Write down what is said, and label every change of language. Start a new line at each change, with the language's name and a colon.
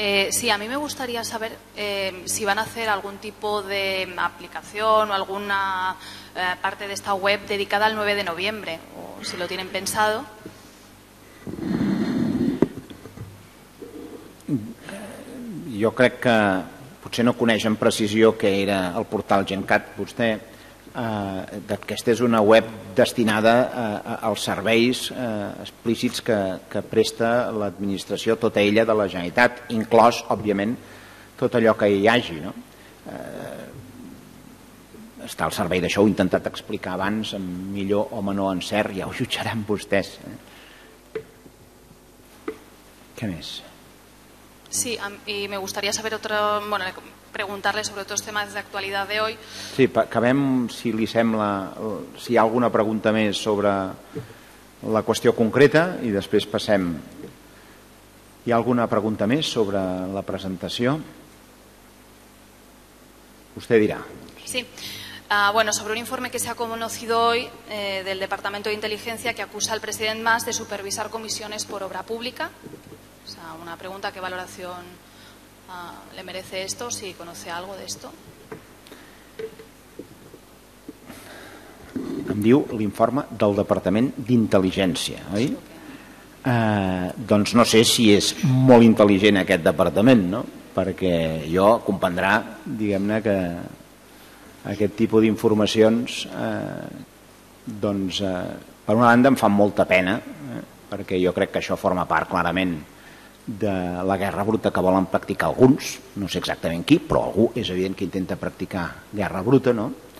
Spanish: Sí, a mí me gustaría saber si van a hacer algún tipo de aplicación o alguna parte de esta web dedicada al 9 de noviembre, o si lo tienen pensado.
Catalan: Jo crec que potser no coneix amb precisió què era el portal GenCat. Vostè, aquesta és una web destinada als serveis explícits que presta l'administració, tota ella, de la Generalitat, inclòs, òbviament, tot allò que hi hagi. No? Està al servei d'això, ho he intentat explicar abans, amb millor o menor encert, ja ho jutjaran vostès. Què més?
Spanish: Sí, y me gustaría saber otro, bueno,
Catalan: preguntar-li sobre tots els temes d'actualitat d'avui. Sí, acabem, si li sembla, si hi ha alguna pregunta més sobre la qüestió concreta i després passem. Hi ha alguna pregunta més sobre la presentació? Vostè dirà. Sí.
Spanish: Bueno, sobre un informe que se ha conocido hoy del Departamento de Inteligencia que acusa al presidente Mas de supervisar comisiones por obra pública. O sea, una pregunta, ¿qué valoración le merece esto? ¿Si conoce algo de esto?
Catalan: Em diu l'informe del Departament d'Inteligència, oi? Sí, doncs no sé si és molt intel·ligent aquest departament, no? Perquè jo comprendrà, diguem-ne, que aquest tipus d'informacions per una banda em fan molta pena, perquè jo crec que això forma part clarament de la guerra bruta que volen practicar alguns, no sé exactament qui, però algú és evident que intenta practicar guerra bruta, no?